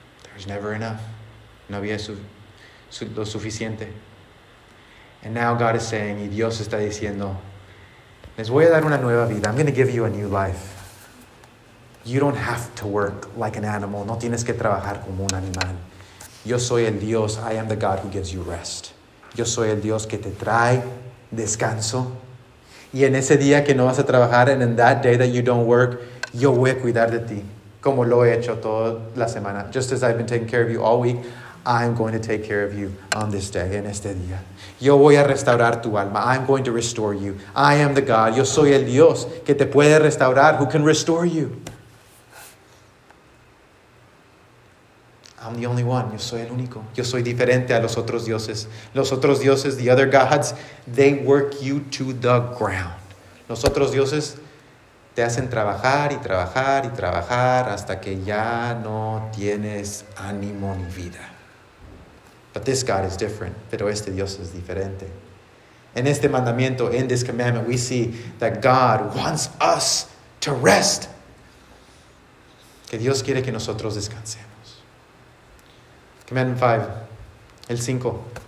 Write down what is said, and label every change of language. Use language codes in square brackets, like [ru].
[en] There's never enough. [es] No había lo suficiente. [en] And now God is saying, [es] y Dios está diciendo, les voy a dar una nueva vida. [en] I'm going to give you a new life. You don't have to work like an animal. [es] No tienes que trabajar como un animal. Yo soy el Dios. [en] I am the God who gives you rest. [es] Yo soy el Dios que te trae descanso. Y en ese día que no vas a trabajar, [en] and in that day that you don't work, [es] yo voy a cuidar de ti, como lo he hecho toda la semana. [en] Just as I've been taking care of you all week, I'm going to take care of you on this day, [es] en este día. Yo voy a restaurar tu alma. [en] I'm going to restore you. I am the God. [es] Yo soy el Dios que te puede restaurar, [en] who can restore you. I'm the only one. [es] Yo soy el único. Yo soy diferente a los otros dioses. Los otros dioses, [en] the other gods, they work you to the ground. [es] Los otros dioses te hacen trabajar y trabajar y trabajar hasta que ya no tienes ánimo ni vida. [en] But this God is different. [es] Pero este Dios es diferente. En este mandamiento, [en] in this commandment, we see that God wants us to rest. [es] Que Dios quiere que nosotros descansemos. [en] Commandment 5. [es] El 5.